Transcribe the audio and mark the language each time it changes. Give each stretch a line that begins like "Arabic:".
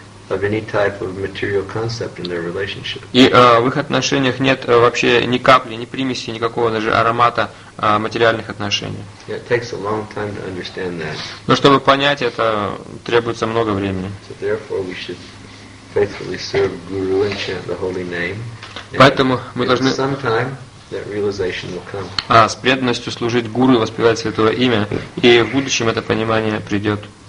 English: of any type of material concept in their relationship.
Russian: И в их отношениях нет вообще ни капли, ни примеси, никакого даже аромата материальных отношений.
English: It takes a long time to understand that.
Russian: Но чтобы понять это, требуется много времени.
English: So therefore, we should faithfully serve Guru and chant the holy name.
Russian: Поэтому мы должны
English: sometime that realization will come.
Russian: С преданностью служить Гуру и воспевать Святое Имя, и в будущем это понимание придет.